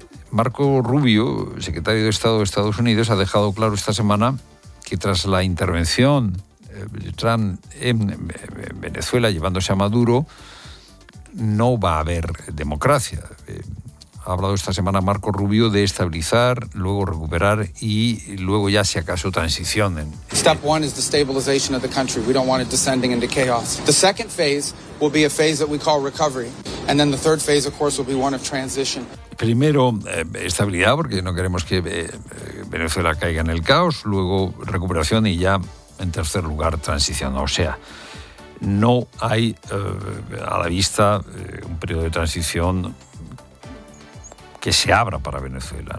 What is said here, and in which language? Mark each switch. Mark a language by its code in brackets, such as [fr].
[es] Marco Rubio, secretario de Estado de Estados Unidos, ha dejado claro esta semana que tras la intervención de Trump en Venezuela, llevándose a Maduro, no va a haber democracia. Ha hablado esta semana Marco Rubio de estabilizar, luego recuperar y luego ya, si acaso, transición. [en] Step one is the stabilization of the country. We don't want it descending into chaos. The second phase will be a phase that we call recovery. And then the third phase, of course, will be one of transition. [es] Primero, estabilidad, porque no queremos que Venezuela caiga en el caos. Luego, recuperación y ya, en tercer lugar, transición. O sea, no hay a la vista un periodo de transición que se abra para Venezuela.